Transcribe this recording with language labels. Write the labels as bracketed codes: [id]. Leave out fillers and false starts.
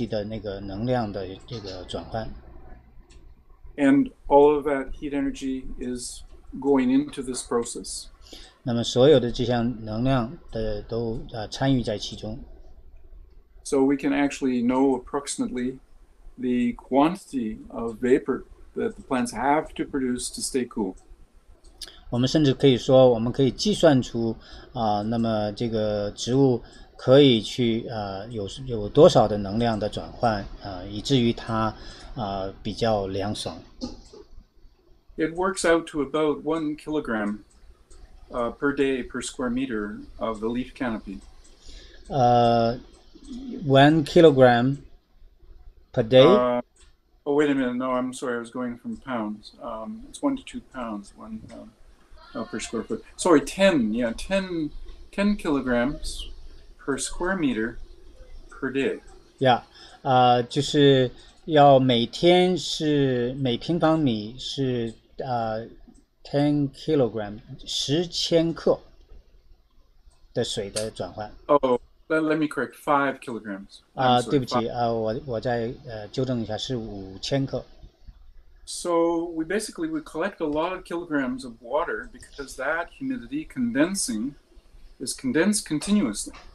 [zh] 我们知道这个水的特性，就是当它从水的液体状态变成水蒸气的时候所涉及的那个能量的这个转换。 [en] And all of that heat energy is going into this process. [zh] 那么所有的这项能量都参与在其中。 [en] So we can actually know approximately the quantity of vapor that the plants have to produce to stay cool. [zh] 我们甚至可以说，我们可以计算出，那么这个植物可以去有多少的能量的转换，以至于它比较凉爽。 [en] It works out to about 1 kilogram per day per square meter of the leaf canopy. 1 kilogram per day? Oh, wait a minute. No, I'm sorry. I was going from pounds. It's 1 to 2 pounds, 1 pound per square foot. Sorry, 10. Yeah, 10 kilograms per square meter per day. [zh] Yeah. 就是要每天是每平方米是 10 kilogram, 10千克的水的转换。 [en] Oh, let me correct, 5 kilograms. [zh] 对不起，我再纠正一下，是5千克。 [en] So we collect a lot of kilograms of water because that humidity condensing is condensed continuously.